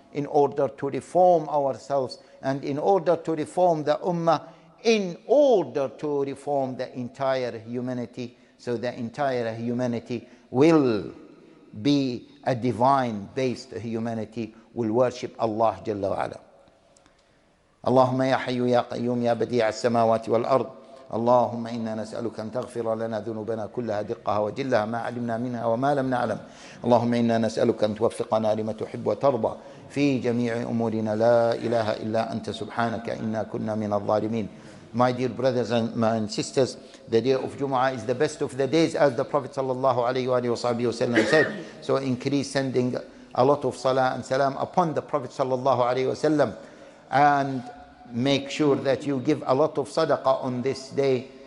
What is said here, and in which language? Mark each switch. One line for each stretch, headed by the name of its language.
English: in order to reform ourselves and in order to reform the Ummah, in order to reform the entire humanity, so the entire humanity will be a divine-based humanity, will worship Allah Jalla wa'ala.
Arabic: اللهم يا حي يا قيوم يا بديع السماوات والأرض اللهم إنا نسألك أن تغفر لنا ذنوبنا كلها دقها وجلها ما علمنا منها وما لم نعلم اللهم إنا نسألك أن توفقنا لما تحب وترضى في جميع أمورنا لا إله إلا أنت سبحانك إنا كنا من الظالمين.
English: My dear brothers and sisters, the day of Jumu'ah is the best of the days, as the Prophet sallallahu alayhi wa sahbihi wa sallam said. So increase sending a lot of salah and salam upon the Prophet sallallahu alayhi wa sallam, and make sure that you give a lot of sadaqah on this day.